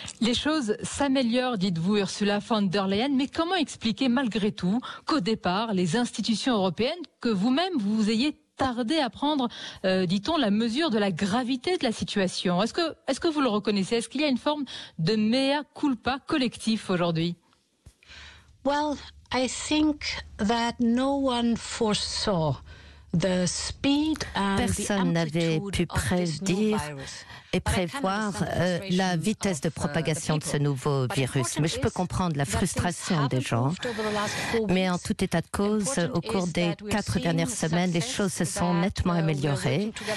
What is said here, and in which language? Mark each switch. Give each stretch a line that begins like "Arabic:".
French: Les choses s'améliorent, dites-vous, Ursula von der Leyen, mais comment expliquer malgré tout qu'au départ, les institutions européennes, que vous-même, vous ayez tardé à prendre, dit-on, la mesure de la gravité de la situation. Est-ce que vous le reconnaissez ? Est-ce qu'il y a une forme de mea culpa collectif aujourd'hui ?
English: Well, I think that no one foresaw the speed and
French: personne n'avait pu prédire et prévoir la vitesse de propagation de ce nouveau virus. Mais je peux comprendre la frustration des gens. Mais en tout état de cause, au cours des quatre dernières semaines, les choses se sont nettement améliorées.